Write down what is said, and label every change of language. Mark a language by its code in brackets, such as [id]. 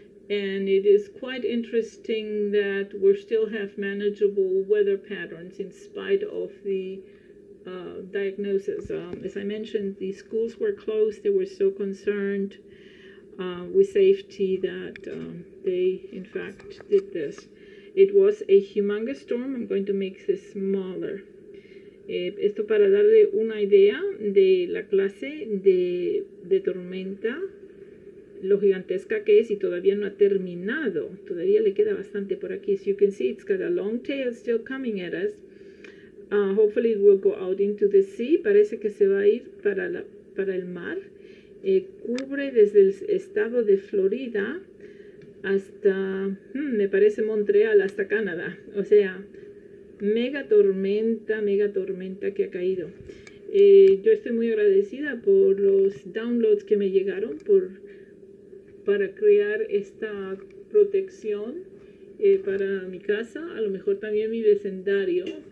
[en] And it is quite interesting that we still have manageable weather patterns in spite of the diagnosis. As I mentioned, the schools were closed. They were so concerned with safety that they, in fact, did this. It was a humongous storm. I'm going to make this smaller. [es] Esto para darle una idea de la clase de tormenta. Lo gigantesca que es y todavía no ha terminado. Todavía le queda bastante por aquí. [en] As you can see, it's got a long tail still coming at us. Hopefully it will go out into the sea. [es] Parece que se va a ir para el mar. Cubre desde el estado de Florida hasta, me parece, Montreal, hasta Canadá. O sea, mega tormenta que ha caído. Yo estoy muy agradecida por los downloads que me llegaron para crear esta protección para mi casa, a lo mejor también mi vecindario.